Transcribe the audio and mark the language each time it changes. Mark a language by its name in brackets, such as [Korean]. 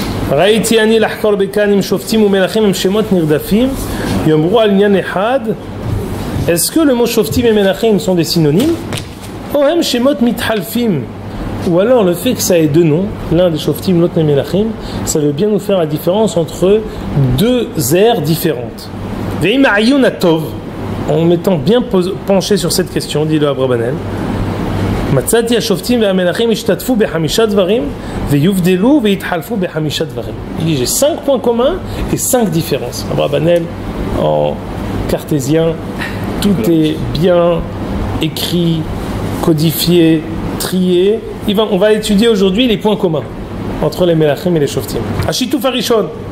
[Hebrew] ראיתי אני לחקור בכאן עם שופטים ומלאכים עם שמות נרדפים יאמרו על עניין אחד [French] Est-ce que le mot שופטים ומלאכים sont des synonymes? [Hebrew] או הם שמות מתחלפים? [French] Ou alors le fait que ça ait deux noms, l'un des שופטים, l'autre des מלאכים, ça veut bien nous faire la différence entre deux aires différentes. [Hebrew] ואם העיון הטוב, [French] en mettant bien penché sur cette question, dit le Abra Banel, [Hebrew] מצאתי השופטים והמלאכים השתתפו בחמישה דברים ויובדלו והתחלפו בחמישה דברים. [French] Il dit, j'ai 5 points communs et 5 différences. Abra Banel, en cartésien, tout est bien écrit, codifié, trié. On va étudier aujourd'hui les points communs entre les Melachim et les Shoftim. Ashitouf Arishon.